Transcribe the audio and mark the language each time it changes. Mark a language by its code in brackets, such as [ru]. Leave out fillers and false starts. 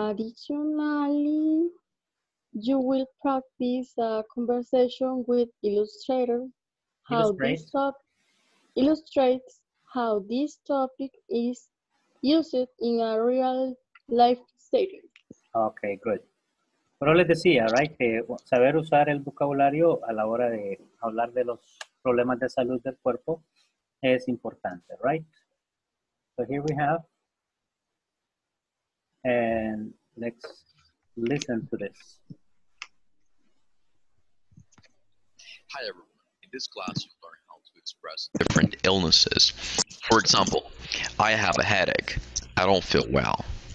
[en] Additionally, you will practice a conversation with illustrator how illustrates how this topic is used in a real life setting. Okay, good. [es] Pero les decía, right, que saber usar el vocabulario a la hora de hablar de los problemas de salud del cuerpo es importante, right? [en] So here we have, and let's listen to this. Hi everyone, in this class you'll learn how to express different illnesses. For example, I have a headache. I don't feel well.